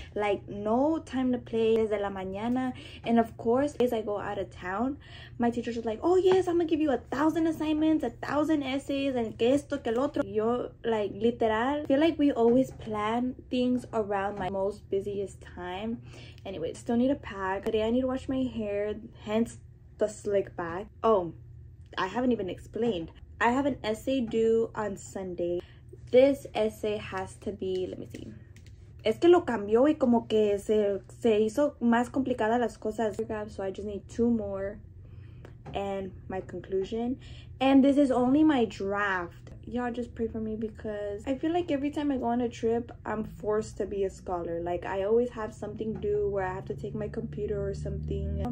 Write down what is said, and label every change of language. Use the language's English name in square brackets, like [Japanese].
[English] Like, no time to play [Spanish] desde la mañana. [English] And of course, as I go out of town, my teachers are like, oh yes, I'm gonna give you 1,000 assignments, 1,000 essays, and [Spanish] que esto que el otro. [English] Yo, like, literal, I feel like we always plan things around my most busiest time. Anyway, still need a pack. Today I need to wash my hair, hence the slick back. Oh, I haven't even explained. I have an essay due on Sunday. This essay has to be, let me see. [Spanish] Es que lo cambió y como que se hizo más complicada las cosas. [English] So I just need 2 more and my conclusion. And this is only my draft. Y'all just pray for me because I feel like every time I go on a trip, I'm forced to be a scholar. Like, I always have something due where I have to take my computer or something.